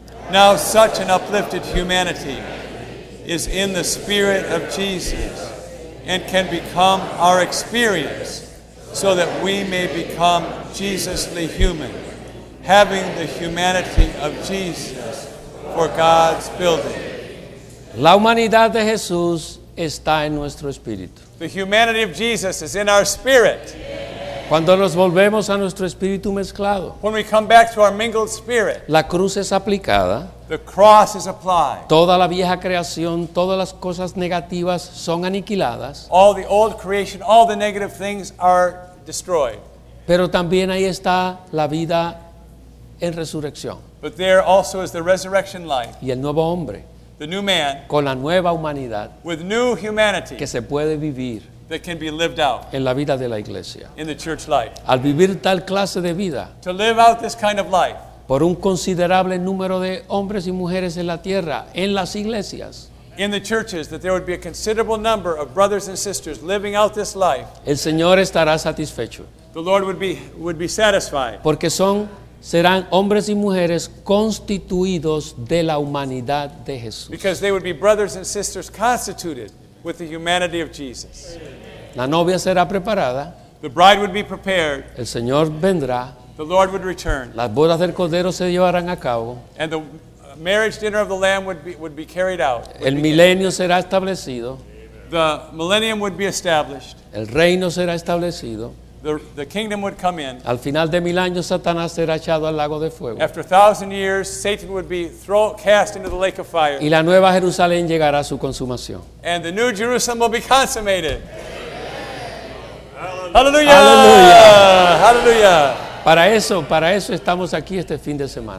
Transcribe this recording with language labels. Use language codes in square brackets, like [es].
[en] Now such an uplifted humanity is in the Spirit of Jesus and can become our experience so that we may become Jesusly human, having the humanity of Jesus for God's building. [es] La humanidad de Jesús está en nuestro espíritu. [en] The humanity of Jesus is in our spirit. [es] Cuando nos volvemos a nuestro espíritu mezclado, [en] when we come back to our mingled spirit, [es] la cruz es aplicada. [en] The cross is applied. [es] Toda la vieja creación, todas las cosas negativas son aniquiladas. [en] All the old creation, all the negative things are destroyed. [es] Pero también ahí está la vida en resurrección. [en] But there also is the resurrection life. [es] Y el nuevo hombre. [en] The new man. [es] Con la nueva humanidad. [en] With new humanity. [es] Que se puede vivir. [en] That can be lived out. [es] En la vida de la iglesia. [en] In the church life. [es] Al vivir tal clase de vida. [en] To live out this kind of life. [es] Por un considerable número de hombres y mujeres en la tierra, en las iglesias. [en] In the churches, that there would be a considerable number of brothers and sisters living out this life. [es] El Señor estará satisfecho. [en] The Lord would be satisfied. [es] Porque serán hombres y mujeres constituidos de la humanidad de Jesús. [en] Because they would be brothers and sisters constituted with the humanity of Jesus. [es] La novia será preparada. [en] The bride would be prepared. [es] El Señor vendrá. [en] The Lord would return. [es] Las bodas del cordero se llevarán a cabo. [en] And the marriage dinner of the Lamb would be carried out. [es] El milenio será establecido. [en] The millennium would be established. [es] El reino será establecido. [en] The kingdom would come in. [es] Al final de mil años, Satanás será echado al lago de fuego. [en] After 1,000 years, Satan would be cast into the lake of fire. [es] Y la nueva Jerusalén llegará a su consumación. [en] And the new Jerusalem will be consummated. Hallelujah! Hallelujah! Hallelujah! [es] Para eso estamos aquí este fin de semana.